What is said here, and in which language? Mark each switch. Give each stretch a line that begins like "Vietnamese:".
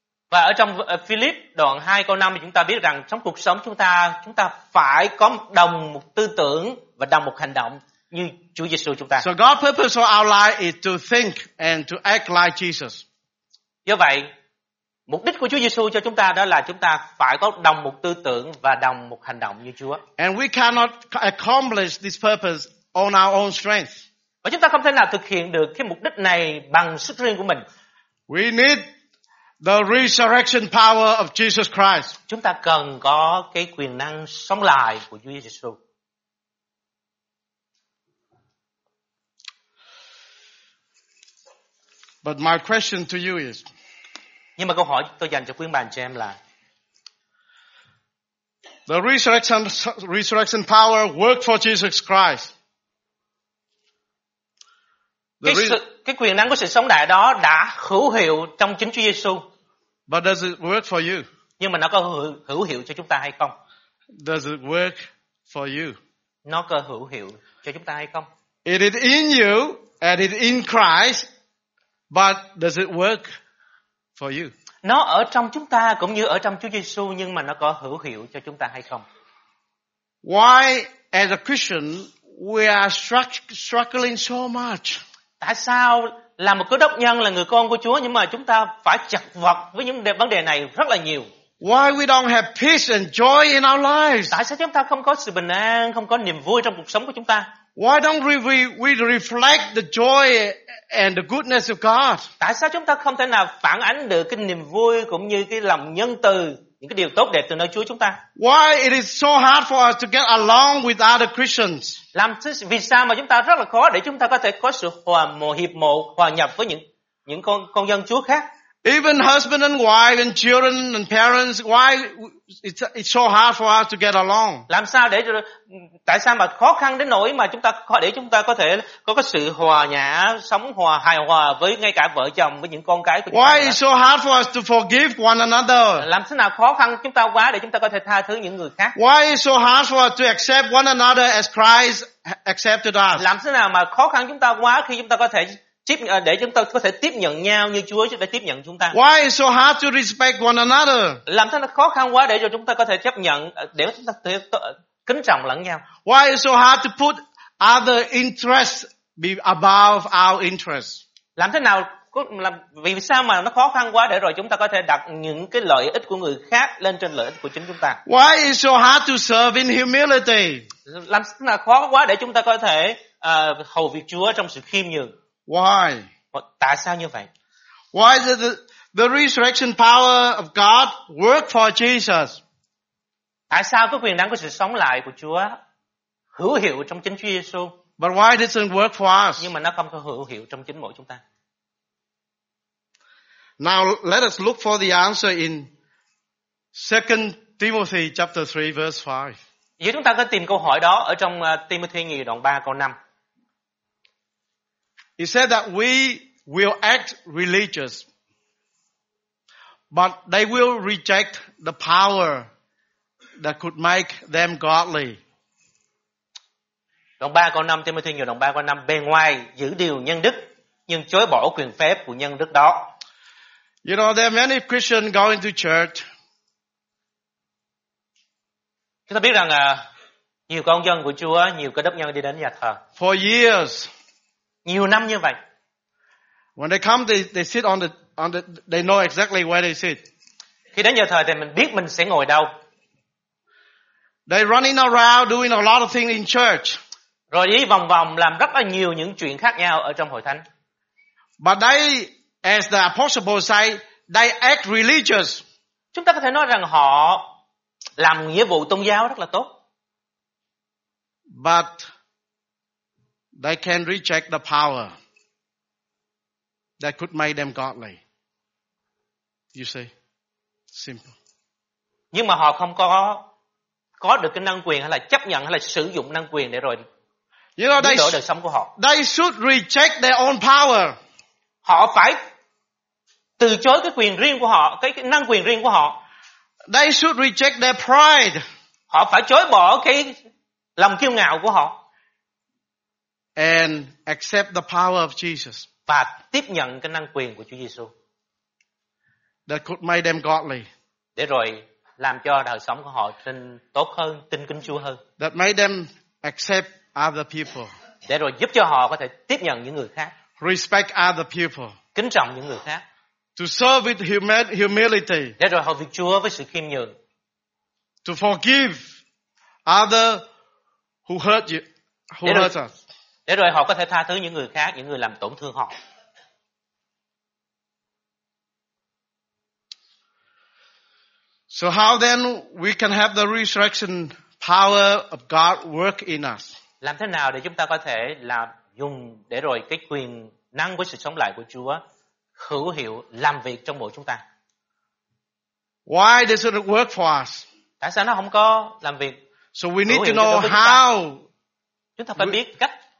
Vietnamese: Và ở trong Philip đoạn 2 câu 5 thì chúng ta biết rằng trong cuộc sống chúng ta phải có đồng một tư tưởng và đồng một hành động như Chúa Giêsu chúng ta.
English: So God's purpose for our life is to think and to act like Jesus.
Vietnamese: Do vậy, mục đích của Chúa Giêsu cho chúng ta đó là chúng ta phải có đồng một tư tưởng và đồng một hành động như Chúa.
English: And we cannot accomplish this purpose on our own strength.
Vietnamese: Và chúng ta không thể nào thực hiện được cái mục đích này bằng sức riêng của mình.
English: We need the resurrection power of Jesus Christ.
Vietnamese: Chúng ta cần có cái quyền năng sống lại của Chúa Giêsu.
English: But my question to you is.
Vietnamese: Nhưng mà câu hỏi tôi dành cho quý bạn cho em là.
English: The resurrection power worked for Jesus Christ.
Vietnamese: Cái quyền năng của sự sống đại đó đã hữu hiệu trong chính Chúa Giêsu.
English: But does it work for you?
Vietnamese: Nhưng mà nó có hữu hiệu cho chúng ta hay không?
English: Does it work for you?
Vietnamese: Nó có hữu hiệu cho chúng ta hay không?
English: It is in you and it is in Christ, but does it work for you?
Vietnamese: Nó ở trong chúng ta cũng như ở trong Chúa Giêsu nhưng mà nó có hữu hiệu cho chúng ta hay không?
English: Why as a Christian we are struggling so much?
Vietnamese: Tại sao là một cơ đốc nhân là người con của Chúa nhưng mà chúng ta phải chật vật với những vấn đề này rất là nhiều?
English: Why we don't have peace and joy in our lives?
Vietnamese: Tại sao chúng ta không có sự bình an, không có niềm vui trong cuộc sống của chúng ta?
English: Why don't we reflect the joy and the goodness of God?
Vietnamese: Tại sao chúng ta không thể nào phản ánh được cái niềm vui cũng như cái lòng nhân từ, những cái điều tốt đẹp từ nơi Chúa chúng ta?
English: Why it is so hard for us to get along with other Christians?
Vietnamese: Làm vì sao mà chúng ta rất là khó để chúng ta có thể có sự hòa một hiệp một, hòa nhập với những con dân Chúa khác?
English: Even husband and wife and children and parents, why it's so hard for us to get along?
Vietnamese: Làm sao để tại sao mà khó khăn đến nỗi mà chúng ta có để chúng ta có thể có sự hòa nhã, sống hòa hài hòa với ngay cả vợ chồng với những con cái của chúng
English: why
Vietnamese: ta?
English: Why it's so hard for us to forgive one another?
Vietnamese: Làm thế nào khó khăn chúng ta quá để chúng ta có thể tha thứ những người khác?
English: Why it's so hard for us to accept one another as Christ accepted us?
Vietnamese: Làm thế nào mà khó khăn chúng ta quá khi chúng ta có thể tiếp để chúng ta có thể tiếp nhận nhau như Chúa đã tiếp nhận chúng ta?
English: Why it's so hard to respect one another?
Vietnamese: Làm thế nào khó khăn quá để cho chúng ta có thể chấp nhận để chúng ta kính trọng lẫn nhau?
English: Why it's so hard to put other interests be above our interests?
Vietnamese: Làm thế nào vì sao mà nó khó khăn quá để rồi chúng ta có thể đặt những cái lợi ích của người khác lên trên lợi ích của chính chúng ta?
English: Why it's so hard to serve in humility?
Vietnamese: Làm thế nào khó quá để chúng ta có thể hầu việc Chúa trong sự khiêm nhường?
English: Why?
Vietnamese: Tại sao như vậy?
English: Why the resurrection power of God work for Jesus?
Vietnamese: Tại sao cái quyền năng của sự sống lại của Chúa hữu hiệu trong chính Chúa Giêsu?
English: But why it doesn't work for us?
Vietnamese: Nhưng mà nó không có hữu hiệu trong chính mỗi chúng ta.
English: Now let us look for the answer in 2 Timothy chapter 3 verse 5.
Vietnamese: Vậy chúng ta có tìm câu hỏi đó ở trong Timothy nhì đoạn 3 câu 5.
English: He said that we will act religious, but they will reject the power that could make them godly.
Vietnamese: Đoạn 3 câu 5, Timothy nhiều đoạn 3 câu 5, bề ngoài giữ điều nhân đức, nhưng chối bỏ quyền phép của nhân đức đó.
English: You know, there are many Christians going to church.
Vietnamese: Chúng ta biết rằng nhiều con dân của Chúa, nhiều cơ đốc nhân đi đến nhà thờ.
English: For years.
Vietnamese: Nhiều năm như vậy.
English: When they come, they sit on the they know exactly where they sit.
Vietnamese: Khi đến giờ thời thì mình biết mình sẽ ngồi đâu.
English: They running around doing a lot of things in church.
Vietnamese: Rồi đi vòng vòng làm rất là nhiều những chuyện khác nhau ở trong hội thánh.
English: But they, as the apostle Paul say, they act religious.
Vietnamese: Chúng ta có thể nói rằng họ làm nghĩa vụ tôn giáo rất là tốt.
English: But they can reject the power that could make them godly. You see? Simple.
Vietnamese: Nhưng mà họ không có được cái năng quyền hay là chấp nhận hay là sử dụng năng quyền để rồi
English: you know,
Vietnamese: biến đổi đời sống của họ.
English: They should reject their own power.
Vietnamese: Họ phải từ chối cái quyền riêng của họ, cái năng quyền riêng của họ.
English: They should reject their pride.
Vietnamese: Họ phải chối bỏ cái lòng kiêu ngạo của họ.
English: And accept the power of Jesus.
Vietnamese: Và tiếp nhận cái năng quyền của Chúa Giêsu.
English: That could make them godly.
Vietnamese: Để rồi làm cho đời sống của họ tin tốt hơn, tin kính Chúa hơn.
English: That made them accept other people.
Vietnamese: để rồi giúp cho họ có thể tiếp nhận những người khác.
English: Respect other people.
Vietnamese: Kính trọng những người khác.
English: To serve with humility.
Vietnamese: Để rồi hầu việc Chúa với sự khiêm nhường.
English: To forgive other who hurt you, who hurt us.
Vietnamese: Để rồi họ có thể tha thứ những người khác, những người làm tổn thương họ.
English: So how then we can have the resurrection power of God work in us?
Vietnamese: Làm thế nào để chúng ta có thể là dùng để rồi cái quyền năng của sự sống lại của Chúa hữu hiệu làm việc trong mỗi chúng ta?
English: Why does it work for us?
Vietnamese: Tại sao nó không có làm việc?
English: So we need to know how.
Vietnamese: Chúng ta phải biết cách